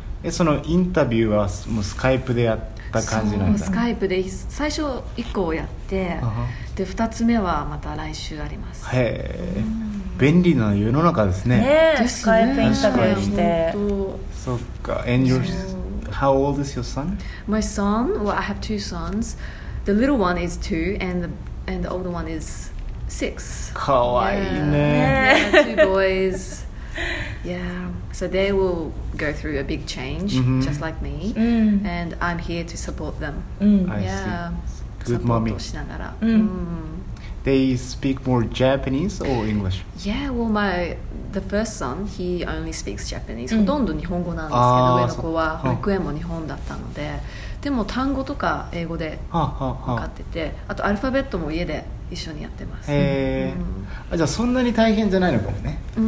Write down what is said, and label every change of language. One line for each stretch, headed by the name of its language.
Japanese: そのインタビューはもうスカイプでやった感じなんだ。そう、スカイプで最初1個やって、で2つ目はまた来週あります。へえ、便利な世の中ですね。ねえ、スカイプインタビューして。そっか。
English: And your how old is your son? My son, well I have 2 sons. The little one is 2 and the and the older one is 6. Kawaii. Yeah. Yeah, two boys. Yeah, so they will go through a big change, mm-hmm. just like me, mm. and I'm here to support them. Mm. Yeah. I see. Good mommy. Support. Mm. They speak more Japanese or English? Yeah, well, the first son, he only speaks Japanese.
Japanese: ほとんど日本語なんですけど、上の子は保育園も日本だったので、でも単語とか英語で分かってて、あとアルファベットも家で一緒にやってます。じゃあそんなに大変じゃないのかもね。